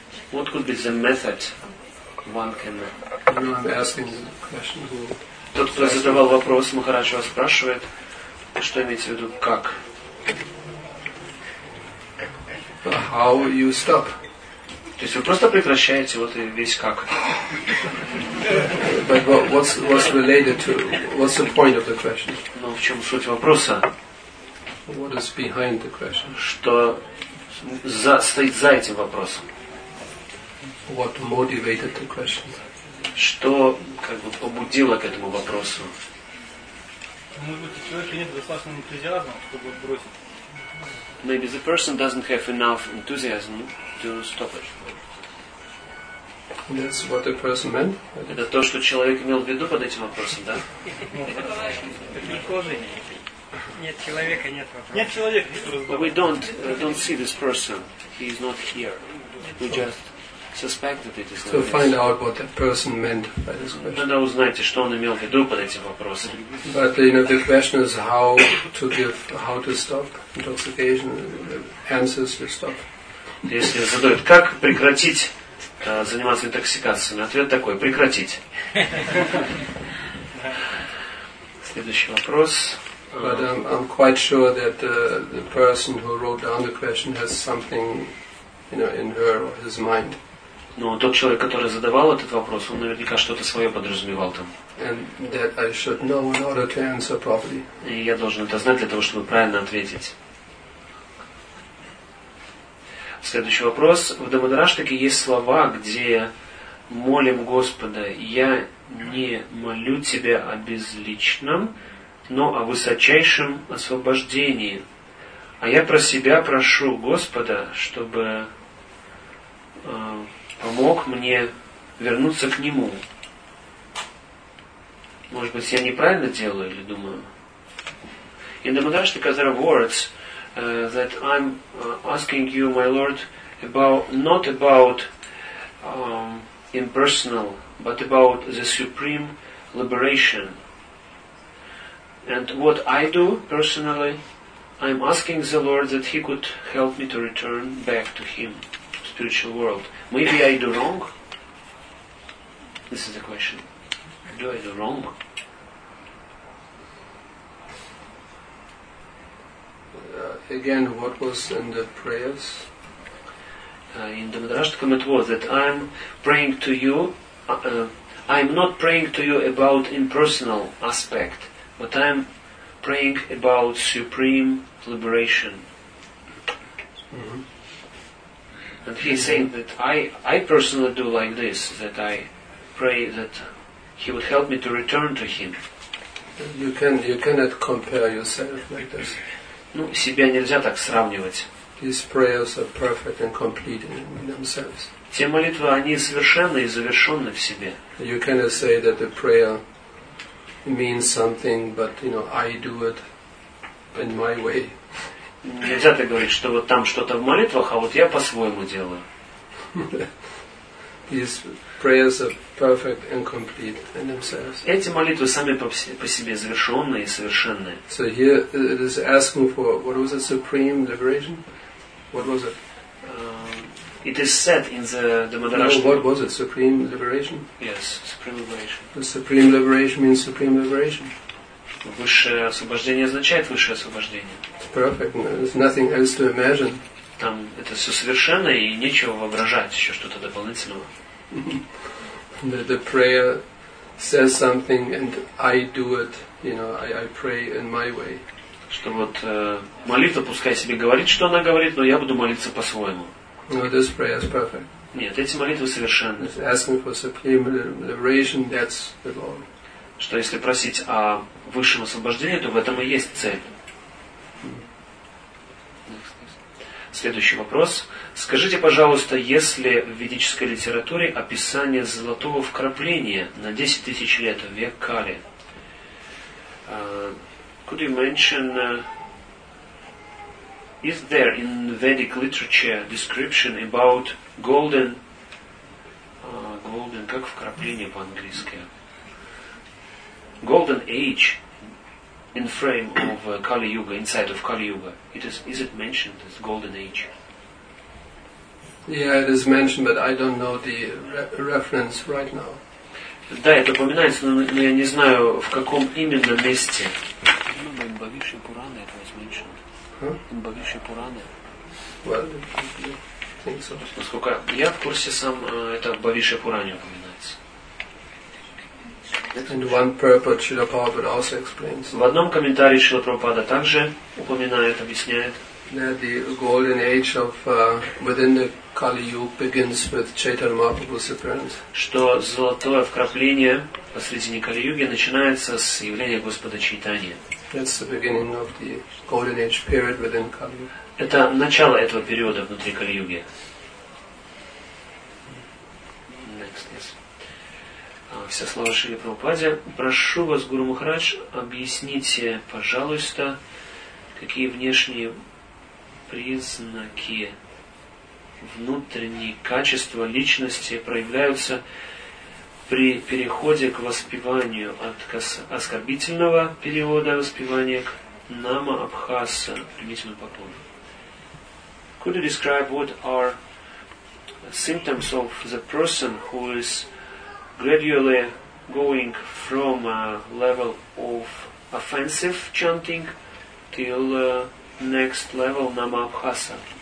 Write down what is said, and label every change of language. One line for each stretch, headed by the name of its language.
English: What could be the method one can... No, I'm asking the question.
Russian: Тот, кто задавал вопрос, Махарадж вас спрашивает, что имеется в виду, как?
English: How you stop?
Russian: То есть вы просто прекращаете вот и весь как.
English: But what's related to, what's the point of the question?
Russian: Ну, в чем суть вопроса?
English: What is behind the question?
Russian: Что за, стоит за этим вопросом?
English: What motivated the question?
Russian: Что как бы побудило к этому вопросу? Может быть, у человека нет достаточно энтузиазма, чтобы бросить.
English: Maybe the person doesn't have enough enthusiasm to stop it. That's what the person meant.
Russian: Это то, что человек имел в виду под этим вопросом, да? Нет человека, нет вопроса.
English: We don't see this person. He is not here. We just suspect that it is. So find out what that person meant by this question.
Russian: Надо узнать, что он имел в виду под этим вопросом.
English: But you know, the question is how to stop intoxication. The answer is to stop.
Russian: Если задают, как прекратить заниматься интоксикациями. Ответ такой: прекратить. Следующий вопрос.
English: But I'm quite sure that the person who wrote down the question has something, you know, in her or his mind.
Russian: Ну, тот человек, который задавал этот вопрос, он наверняка что-то свое подразумевал там.
English: And that I should know in order to answer properly.
Russian: И я должен это знать для того, чтобы правильно ответить. Следующий вопрос. В Дамадараштаке есть слова, где молим Господа: «Я не молю Тебя о безличном, но о высочайшем освобождении. А я про себя прошу Господа, чтобы помог мне вернуться к Нему». Может быть, я неправильно делаю или думаю?
English: In Дамадараштака there are words that I'm asking you, my Lord, about not about impersonal, but about the supreme liberation. And what I do personally, I'm asking the Lord that He could help me to return back to Him, spiritual world. Maybe I do wrong? This is the question. Do I do wrong? Again, what was in the prayers? In the Madrashtakam it was that I'm praying to you, I'm not praying to you about impersonal aspect, but I'm praying about supreme liberation. Mm-hmm. And he's saying that I personally do like this, that I pray that He would help me to return to Him. You cannot compare yourself like this.
Russian: Ну, себя нельзя так сравнивать.
English: These prayers are perfect and complete in themselves.
Russian: Те молитвы, они совершенны и завершены в себе.
English: You cannot say that the prayer means something, but you know, I do it in my way.
Russian: Нельзя так говорить, что вот там что-то в молитвах, а вот я по-своему делаю.
English: These prayers are perfect and complete in themselves.
Russian: Эти молитвы сами по себе завершенные и совершенные.
English: So here it is asking for what was it, supreme liberation? What was it? It is said in the Madrashtaka. No, what was it? Supreme liberation? Yes, supreme liberation. The supreme liberation means supreme liberation.
Russian: Высшее освобождение означает высшее освобождение.
English: It's perfect. There's nothing else to imagine.
Russian: Там это все совершенно и нечего воображать еще что-то дополнительного.
English: The prayer says something and I do it, you know, I pray in my way.
Russian: Что вот молитва пускай себе говорит, что она говорит, но я буду молиться по-своему.
English: No, this prayer is perfect.
Russian: Нет, эти молитвы совершенны.
English: If asking for supreme liberation, that's the goal.
Russian: Что если просить о высшем освобождении, то в этом и есть цель. Следующий вопрос. Скажите, пожалуйста, есть ли в ведической литературе описание золотого вкрапления на 10 тысяч лет, век Кали?
English: Could you mention, is there in Vedic literature description about golden
Russian: как вкрапление по-английски.
English: Golden age in frame of Kali Yuga, inside of Kali Yuga. Is it mentioned as golden age? Yeah, it is mentioned, but I don't know the reference right now.
Russian: Да, это упоминается, но я не знаю, в каком именно месте. Бхагавадгита Пурана, это
English: was mentioned.
Russian: Бхагавадгита Пурана. Насколько я в курсе, сам это Бхагавадгита Пурана упоминается.
English: And one purport Srila Prabhupada also explains.
Russian: В одном комментарии Шрила Прабхупада также упоминает, объясняет.
English: That the golden age of within the Kali Yuga begins with Chaitanya Mahaprabhu's appearance.
Russian: Что золотое вкрапление посредине Кали Юги начинается с явления Господа Чайтаньи.
English: That's the beginning of the golden age period within Kali Yuga.
Russian: Это начало этого периода внутри Кали Юги.
English: Next, yes.
Russian: Все слова Шрили Прабхупаде. Прошу вас, Гуру Махарадж, объясните, пожалуйста, какие внешние признаки, внутренние качества личности проявляются при переходе к воспеванию от оскорбительного периода воспевания к нама абхаса, примитивному поклону.
English: Could you describe what are symptoms of the person who is gradually going from a level of offensive chanting till next level nama abhasa?